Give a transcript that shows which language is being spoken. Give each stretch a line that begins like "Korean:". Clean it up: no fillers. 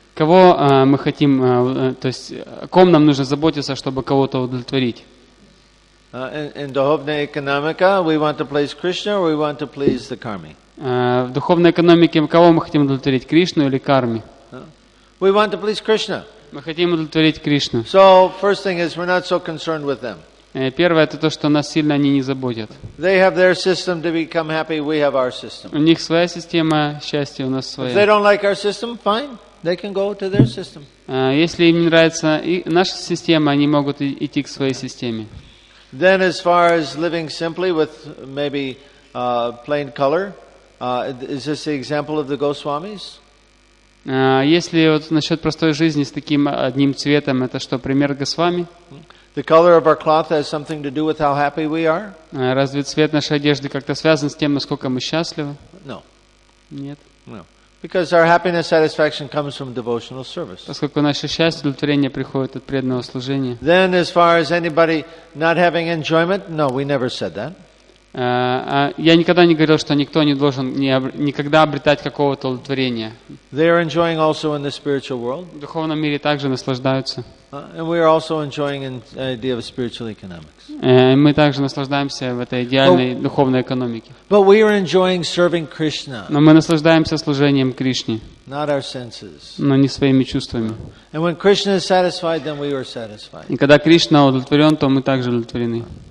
Russian: Кого мы хотим, то есть, ком нам нужно заботиться, чтобы кого-то удовлетворить?
English: In
Russian: духовной экономике,
English: we want to please Krishna or we want to please the karmi?
Russian: В духовной экономике, кого мы хотим удовлетворить, Кришну или карми?
English: We want to please Krishna.
Russian: Мы хотим удовлетворить Кришну.
English: So, first thing is, we're not so concerned with them.
Russian: Первое, это то, что нас сильно они не заботят.
English: They have their system to become happy, we have our system.
Russian: У них своя система счастья, у нас своя.
English: If they don't like our system, fine, they can go to their system.
Russian: Если им не нравится наша система, они могут идти к своей системе.
English: Then as far as living simply with maybe plain color, is this the example of the Goswamis?
Russian: Если вот насчет простой жизни с таким одним цветом, это что, пример Госвами?
English: The color of our cloth has something to do with how happy we are?
Russian: Разве цвет нашей одежды как-то связан с тем, насколько мы счастливы?
English: No.
Russian: Нет.
English: No. Because our happiness satisfaction comes from devotional service.
Russian: Поскольку наше счастье, удовлетворение приходит от преданного служения.
English: Then as far as anybody not having enjoyment, no, we never said that.
Russian: Я никогда не говорил, что никто не должен никогда обретать какого-то удовлетворения.
English: They are enjoying also in the spiritual world.
Russian: В духовном мире также наслаждаются.
English: And we are also enjoying an idea of spiritual economics.
Russian: Мы также наслаждаемся в этой идеальной духовной экономике.
English: But we are enjoying serving Krishna.
Russian: Но мы наслаждаемся служением Кришне.
English: Not our senses.
Russian: Но не своими чувствами.
English: And when Krishna is satisfied, then we are satisfied.
Russian: И когда Кришна удовлетворен, то мы также удовлетворены.